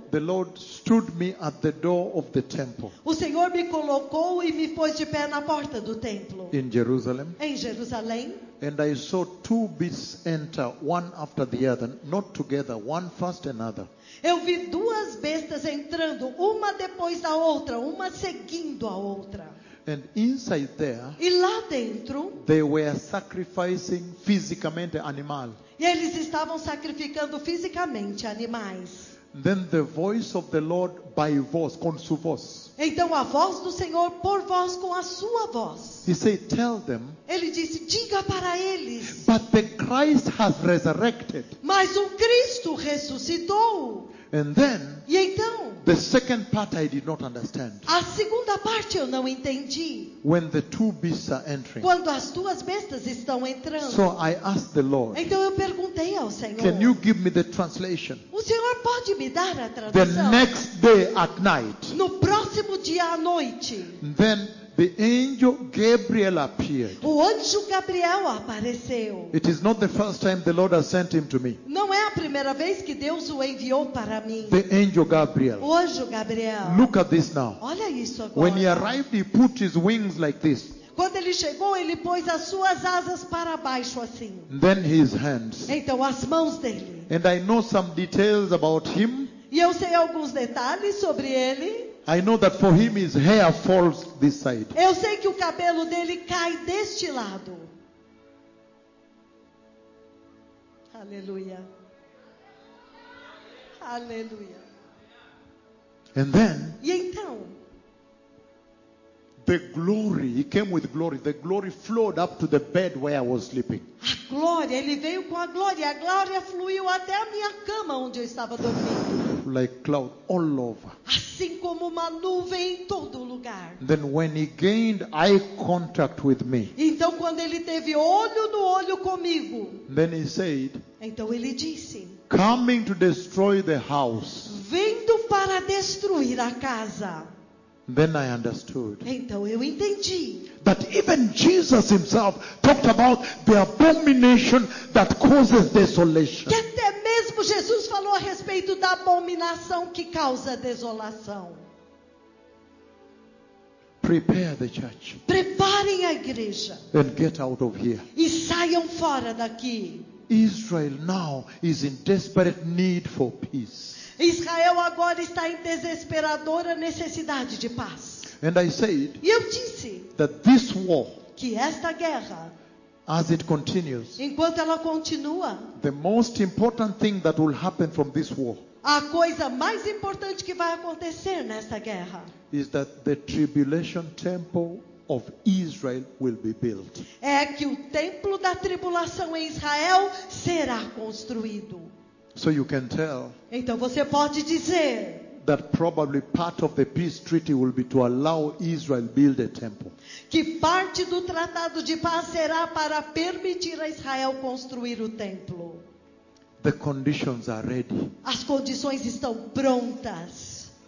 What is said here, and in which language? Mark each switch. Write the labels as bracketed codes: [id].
[en] the Lord stood me at the door of the temple. [pt] O Senhor me colocou e me pôs de pé na porta do templo. [en] In Jerusalem. [pt] Em Jerusalém. [en] And I saw two beasts enter, one after the other, not together, one first another. [pt] Eu vi duas bestas entrando, uma depois da outra, uma seguindo a outra. [en] And inside there, [pt] e lá dentro, [en] they were sacrificing physically animal. [pt] E eles estavam sacrificando fisicamente animais. [en] Then the voice of the Lord by voice, [pt] com sua voz. Então a voz do Senhor por voz com a sua voz. [en] He said, "Tell them." [pt] Ele disse, diga para eles. [en] But the Christ has resurrected. [pt] Mas o Cristo ressuscitou. [en] And then, [pt] e então, [en] the second part I did not understand. [pt] A segunda parte eu não entendi. [en] When the two beasts are entering. [pt] Quando as duas bestas estão entrando. [en] So I asked the Lord. [pt] Então eu perguntei ao Senhor. [en] Can you give me the translation? [pt] O Senhor pode me dar a tradução? [en] The next day at night. [pt] No próximo dia à noite. [en] Then the angel Gabriel appeared. [pt] O anjo Gabriel apareceu. [en] It is not the first time the Lord has sent him to me. [pt] Não é a primeira vez que Deus o enviou para mim. [en] The angel Gabriel. [pt] O anjo Gabriel. [en] Look at this now. [pt] Olha isso agora. [en] When he arrived, he put his wings like this. [pt] Quando ele chegou, ele pôs as suas asas para baixo assim. [en] Then his hands. [pt] Então as mãos dele. [en] And I know some details about him. [pt] E eu sei alguns detalhes sobre ele. [en] I know that for him his hair falls this side. [pt] Eu sei que o cabelo dele cai deste lado. Aleluia. Aleluia. [en] And then, [pt] e então, [en] the glory, he came with glory. The glory flowed up to the bed where I was sleeping. [pt] A glória, ele veio com a glória. A glória fluiu até a minha cama onde eu estava dormindo. [en] Like cloud all over. [pt] Assim como uma nuvem em todo lugar. [en] Then when he gained eye contact with me. [pt] Então quando ele teve olho no olho comigo. [en] Then he said. [pt] Então ele disse. [en] Coming to destroy the house. [pt] Vindo para destruir a casa. [en] Then I understood. [pt] Então eu entendi. [en] That even Jesus himself talked about the abomination that causes desolation. [pt] Que até mesmo Jesus falou a respeito da abominação que causa desolação. [en] Prepare the church. [pt] Preparem a igreja. [en] And get out of here. [pt] E saiam fora daqui. [en] Israel now is in desperate need for peace. [pt] Israel agora está em desesperadora necessidade de paz. [en] And I said, [pt] e eu disse [en] that this war, [pt] que esta guerra, [en] as it continues, [pt] enquanto ela continua, [en] the most important thing that will happen from this war, [pt] a coisa mais importante que vai acontecer nesta guerra, [en] is that the tribulation temple of Israel will be built. [pt] É que o templo da tribulação em Israel será construído. [en] So you can tell, [pt] então você pode dizer, [en] that probably part of the peace treaty will be to allow Israel build a temple. [pt] Que parte do tratado de paz será para permitir a Israel construir o templo. [en] The conditions are ready. [pt] As condições estão prontas.